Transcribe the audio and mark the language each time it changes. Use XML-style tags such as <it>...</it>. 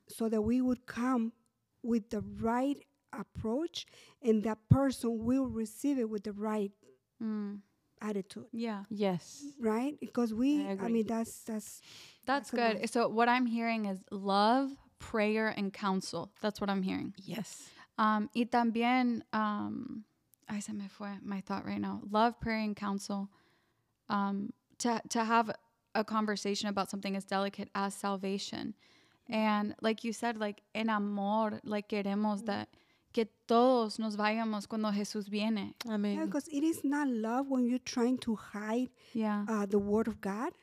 <en>so that we would come with the right approach and that person will receive it with the right attitude. Yeah. Yes. Right? Because I mean, that's good. So what I'm hearing is love, prayer, and counsel. That's what I'm hearing. Yes.</en> <es>Y también, ay, se me fue</es> <en>my thought right now. Love, prayer, and counsel. To have a conversation about something as delicate as salvation. And like you said, like,</en> <es>en amor,</es> <en>like,</en> <es>queremos</es> <en>that</en> <es>que todos nos vayamos cuando Jesús viene. Amen. Yeah, because it is not love when you're trying to hide the word of God.</es>